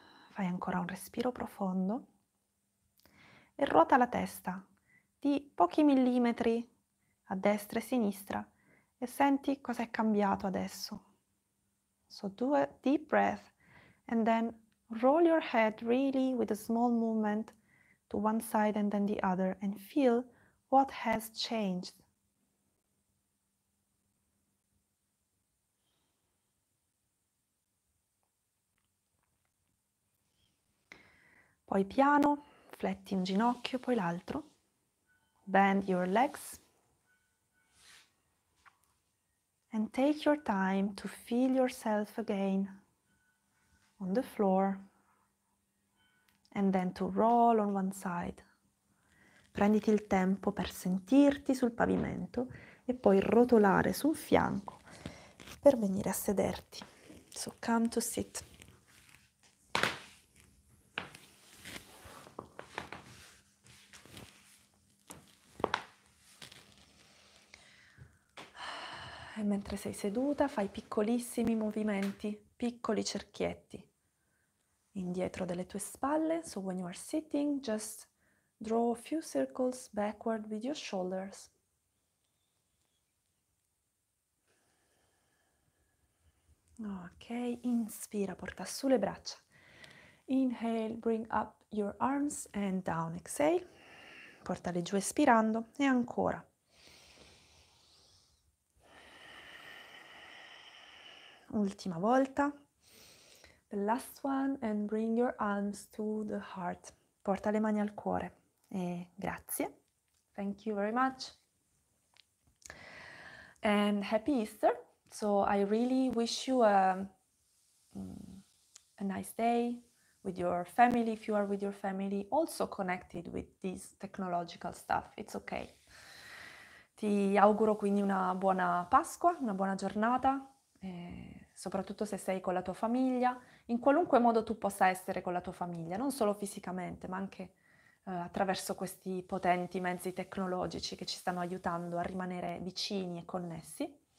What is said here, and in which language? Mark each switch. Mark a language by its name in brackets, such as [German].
[Italian] Fai ancora un respiro profondo e ruota la testa di pochi millimetri a destra e a sinistra e senti cosa è cambiato adesso. [English] So do a deep breath and then roll your head really with a small movement to one side and then the other and feel what has changed. [Italian] Poi piano, fletti un ginocchio, poi l'altro. [English] Bend your legs. And take your time to feel yourself again on the floor. And then to roll on one side. [Italian] Prenditi il tempo per sentirti sul pavimento e poi rotolare sul fianco per venire a sederti. [English] So come to sit. [Italian] E mentre sei seduta, fai piccolissimi movimenti, piccoli cerchietti indietro delle tue spalle. [English] So when you are sitting, just draw a few circles backward with your shoulders. Ok, [Italian] inspira, porta su le braccia. [English] Inhale, bring up your arms and down. Exhale, [Italian] portale giù espirando e ancora. Ultima volta, [English] the last one, and bring your arms to the heart. [Italian] Porta le mani al cuore e grazie. [English] Thank you very much. And happy Easter. So I really wish you a nice day with your family, if you are with your family, also connected with this technological stuff. It's okay. [Italian] Ti auguro quindi una buona Pasqua, una buona giornata. soprattutto se sei con la tua famiglia, in qualunque modo tu possa essere con la tua famiglia, non solo fisicamente, ma anche attraverso questi potenti mezzi tecnologici che ci stanno aiutando a rimanere vicini e connessi.